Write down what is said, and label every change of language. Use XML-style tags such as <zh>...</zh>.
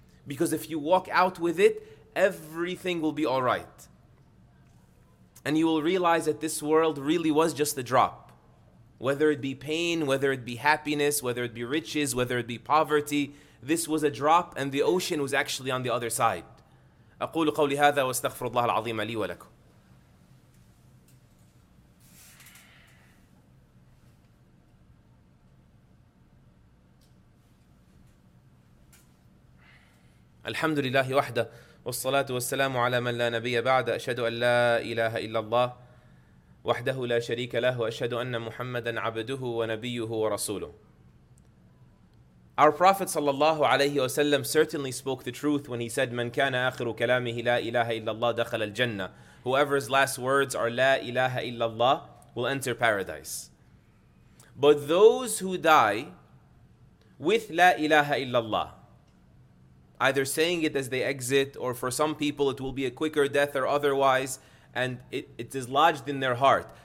<en>Because if you walk out with it, everything will be all right. And you will realize that this world really was just a drop. Whether it be pain, whether it be happiness, whether it be riches, whether it be poverty, this was a drop and the ocean was actually on the other side.</en> <ar>أَقُولُ قَوْلِ هَذَا وَاسْتَغْفِرُ اللَّهَ الْعَظِيمَ لِي وَلَكُمْ الحمد لله وحده والصلاة والسلام على من لا نبي بعد أشهد أن لا إله إلا الله وحده لا شريك له وأشهد أن محمدا عبده ونبيه ورسوله.</ar> <en>Our Prophet صلى الله عليه وسلم certainly spoke the truth when he said, من كان آخر كلامه لا إله إلا الله دخل الجنة. Whoever's last words are لا إله إلا الله will enter paradise. But those who die with لا إله إلا الله, either saying it as they exit, or for some people it will be a quicker death or otherwise, and it is lodged in their heart.</en>